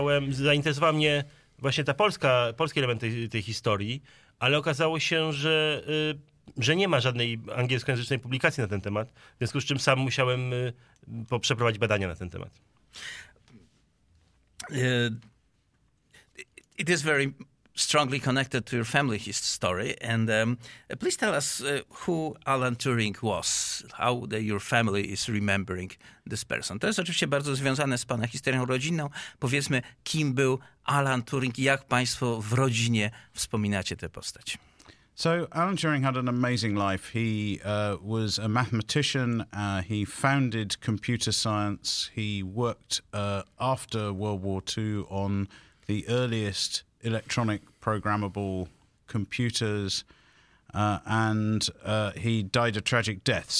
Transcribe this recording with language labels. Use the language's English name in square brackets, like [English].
[Polish] Zainteresowała mnie właśnie ta polski element tej historii, ale okazało się, że nie ma żadnej angielskojęzycznej publikacji na ten temat, w związku z czym sam musiałem przeprowadzić badania na ten temat. [English] It is very strongly connected to your family history. And please tell us who Alan Turing was, how your family is remembering this person. [Polish] To jest oczywiście bardzo związane z pana historią rodzinną. Powiedzmy, kim był Alan Turing, jak państwo w rodzinie wspominacie tę postać. [English] So Alan Turing had an amazing life. He was a mathematician. He founded computer science. He worked after World War II on the earliest electronic programmable computers, and he died a tragic death.